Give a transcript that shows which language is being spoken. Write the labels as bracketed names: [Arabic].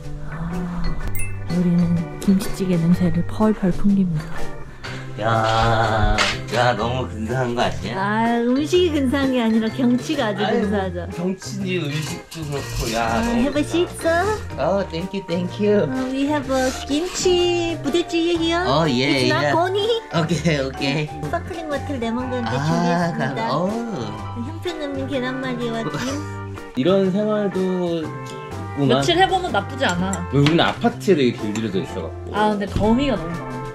[Korean] 아, 우리는 김치찌개 냄새를 펄펄 풍깁니다. 야, 야 너무 근사한 거 아니야? 아, 음식이 근사한 게 아니라 경치가 아주 아유, 근사하죠. 경치니 음식도 그렇고, 야. 아, 해보시죠. [English] 어, thank you, thank you. We have a 김치 부대찌개 here. Oh, yeah, yeah. It's not corny. Okay, okay. Sparkling water, [Korean] 레몬건데 준비했습니다. 아, 형편없는 계란말이와 김. 이런 생활도. 며칠 해보면 나쁘지 않아. 우리는 아파트에 되게 길들여져 있어갖고. 아, 근데 더위가 너무 많아.